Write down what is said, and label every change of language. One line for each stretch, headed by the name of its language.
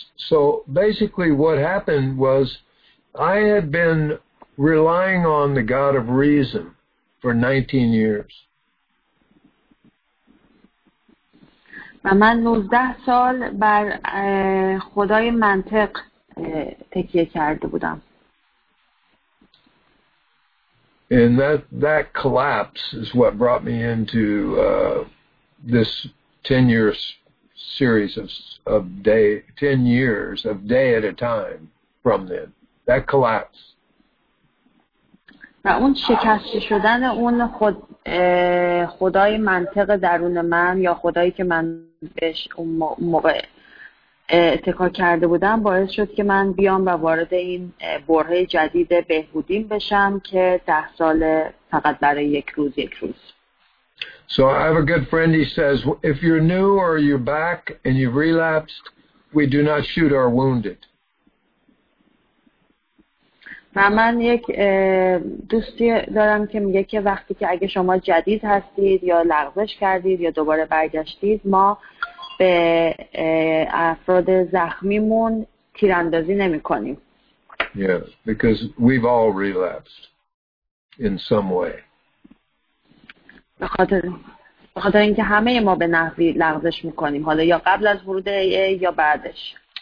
English: So basically what happened was I had been relying on the God of reason for 19 years.
Persian: و من 19 سال بر خدای منطق تکیه کرده بودم.
English: And that collapse is what brought me into this 10-year series of day, 10 years of day at a time from then. That collapse.
Persian: و اون شکست شدن اون خدای منطق درون من یا خدایی که من بهش اون موقع اتکا کرده بودم باعث شد که من بیام و وارد این برهه جدید بهبودیم بشم که 10 سال فقط برای یک روز.
English: So I have a good friend, he says, if you're new or you're back and you've relapsed, we do not shoot our wounded.
Persian: و من یک دوستی دارم که میگه که وقتی که اگه شما جدید هستید یا لغزش کردید یا دوباره برگشتید ما به افراد زخمیمون تیراندازی نمی کنیم.
English: Yeah, because we've all relapsed in some way.
Persian: بخاطر اینکه همه ما به نحوی لغزش میکنیم حالا یا قبل از ورود یا بعدش.